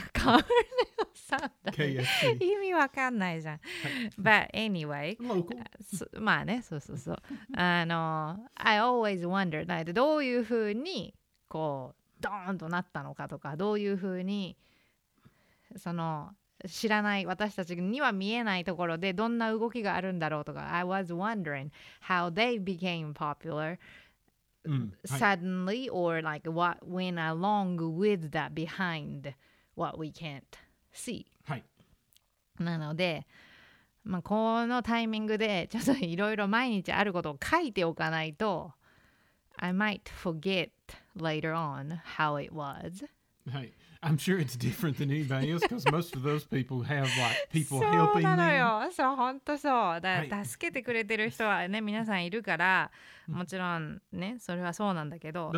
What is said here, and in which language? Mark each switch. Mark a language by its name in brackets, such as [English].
[Japanese] Colonel Sanders 意味わかんないじゃん [English] but anyway [Japanese] まあねそうそうそう [English] I always wondered like, [Japanese] どういうふうにこうドーンとなったのかとかどういうふうにその知らない私たちには見えないところでどんな動きがあるんだろうとか [English] I was wondering how they became popular、 [Japanese] うん、 [English] suddenly、はい、or like what went along with that behind what we can't see、 [Japanese] はい、なのでまあこのタイミングでちょっといろいろ毎日あることを書いておかないと [English] I might forgetLater on, how it was. Hey, I'm sure it's different than anybody else because most of those people have like people helping them. [Japanese] そうなのよ。そう、本当そう。だ、助けてくれてる人はね、皆さんいるから、もちろんね、それはそうなんだけど。